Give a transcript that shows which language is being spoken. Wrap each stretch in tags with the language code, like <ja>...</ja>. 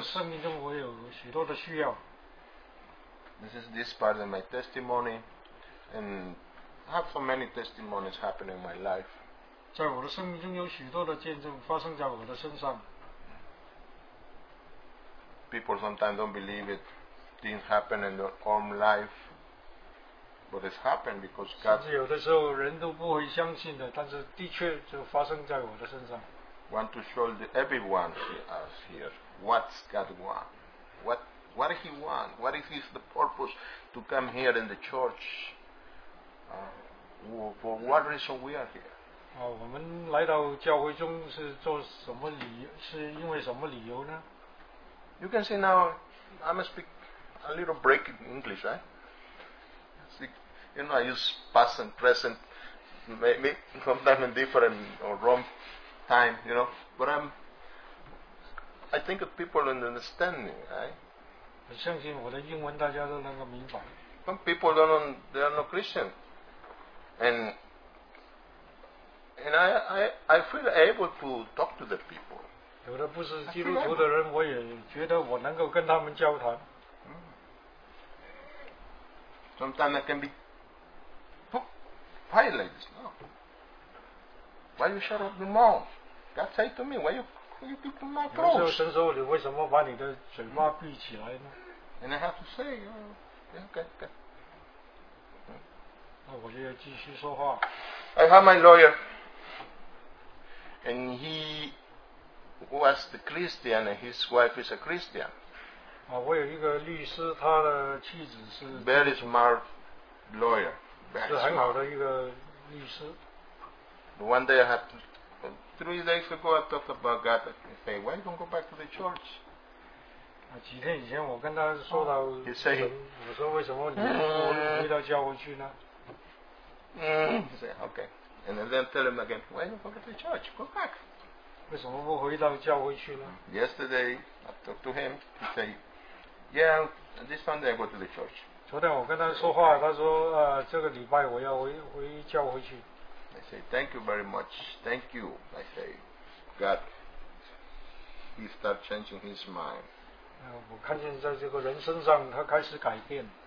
<zh>生命中我有许多的需要。</zh> <en>this is this part of my testimony, and I have so many testimonies happening in my life.</en> <zh>在我的生命中有许多的见证发生在我的身上。</zh> <en>People sometimes don't believe it. Things happen in their own life, but it's happened because God.</en> <zh>甚至有的时候人都不会相信的，但是的确就发生在我的身上。</zh> <en>Want to show everyone us here what God wants. What He wants? What is His the purpose to come here in the church? For what reason we are here?</en> <zh>啊，我们来到教会中是做什么理由？是因为什么理由呢？</zh> <en>You can see now, I'm speak a little break in English, right? See, you know, I use past and present, maybe sometimes in different or wrong time, you know. But I think of people in understanding, right?</en> <zh>我相信我的英文大家都能够明白。</zh> <en>Some people they are not Christian, and I feel able to talk to the people.</en> <zh>有的不是基督徒的人，我也觉得我能够跟他们交谈。</zh> <en>Sometimes I can be quiet like this. No. Why you shut up the mouth? God say to me, why you keep the mouth closed?</en> <zh>有时候神说你为什么把你的嘴巴闭起来呢？</zh> <en>And I have to say, okay, okay.</en> <zh>那我就要继续说话。</zh> <en>I have my lawyer. And he was the Christian, and his wife is a Christian.</en> <zh>啊，我有一个律师，他的妻子是</zh> <en>very smart lawyer.</en> <zh>是很好的一个律师。</zh> <en>One day I had three days ago I talked about God. I say, why don't go back to the church?</en> <zh>啊，几天以前我跟他说到，</zh> <en>he say,</en> <zh>我说为什么你不回到教会去呢？</zh> <en>He say, okay. And then tell him again, why don't you go to the church? Go back.</en> <zh>为什么不回到教会去了？</zh> <en>Yesterday, I talked to him. He said, yeah, this Sunday I go to the church.</en> <zh>昨天我跟他说话，他说，这个礼拜我要回教会去。</zh> <en>I say, thank you very much. Thank you. I say, God, he started changing his mind.</en> <zh>我看见在这个人身上他开始改变。</zh>